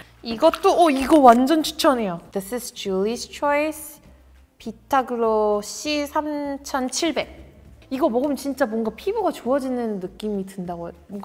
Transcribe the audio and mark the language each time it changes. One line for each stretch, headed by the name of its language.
Korean: 이것도 이거 완전 추천해요.
English: This is Julie's Choice 비타글로 C3700.
Korean: 이거 먹으면 진짜 뭔가 피부가 좋아지는 느낌이 든다고 해요.